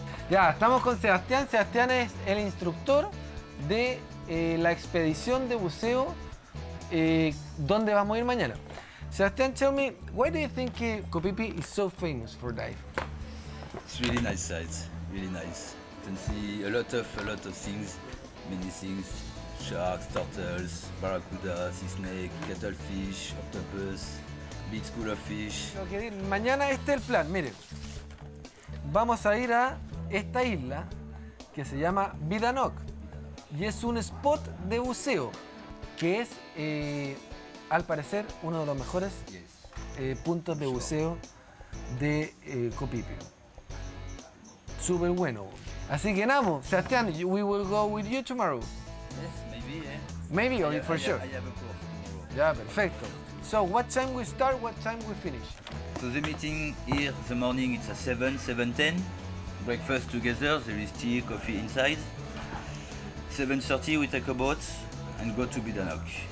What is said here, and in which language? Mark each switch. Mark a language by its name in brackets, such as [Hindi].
[Spanish] Ya, estamos con Sebastián. Sebastián es el instructor de la expedición de buceo donde vamos a ir mañana. [English] Sebastián, tell me, why do you think Kopipi is so famous for dive? It's really nice sights, really nice. You can see a lot of things, many things. Sharks, turtles, barracuda, sea snake, cuttlefish, octopus, big school of fish. [Spanish] Mañana este es el plan, mire. Vamos a ir a esta isla que se llama Bidanok. Y es un spot de buceo que es, al parecer, uno de los mejores puntos de buceo de Copipi. Súper bueno. Así que, [English] Namo, Sebastián, we will go with you tomorrow. Yes, maybe, yeah. Maybe, or for sure. I have a course tomorrow. Yeah, [Spanish] perfecto. [English] So, what time we start, what time we finish? So, the meeting here, the morning, it's at 7:10. Breakfast together, there is tea, coffee inside. 7:30, we take a boat and go to Bidanok.